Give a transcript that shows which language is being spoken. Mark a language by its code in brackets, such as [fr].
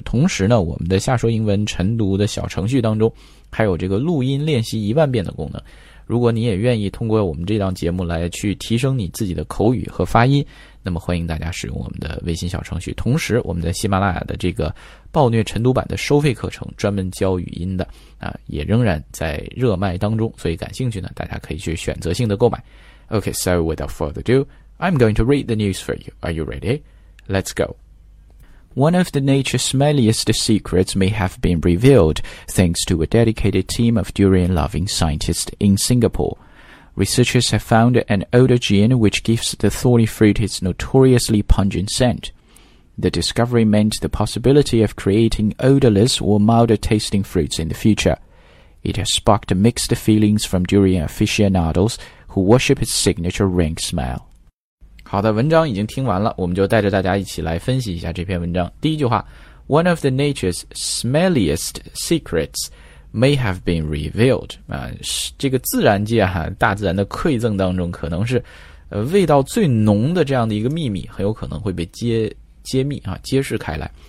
[zh] 同时呢，我们的下说英文晨读的小程序当中还有这个录音练习一万遍的功能，如果你也愿意通过我们这档节目来去提升你自己的口语和发音，那么欢迎大家使用我们的微信小程序。同时我们在喜马拉雅的这个暴虐晨读版的收费课程，专门教语音的啊，也仍然在热卖当中，所以感兴趣呢大家可以去选择性的购买。 [en] OK, so without further ado, I'm going to read the news for you. Are you ready? Let's go. One of the nature's smelliest secrets may have been revealed thanks to a dedicated team of durian-loving scientists in Singapore. Researchers have found an odor gene which gives the thorny fruit its notoriously pungent scent. The discovery meant the possibility of creating odorless or milder-tasting fruits in the future. It has sparked mixed feelings from durian aficionados who worship its signature rank smell. [zh] 好的，文章已经听完了，我们就带着大家一起来分析一下这篇文章。第一句话 , [en] One of the nature's smelliest secrets,May have been revealed [zh] 啊，这个自然界哈、啊，大自然的馈赠当中，可能是味道最浓的这样的一个秘密，很有可能会被揭秘啊，揭示开来。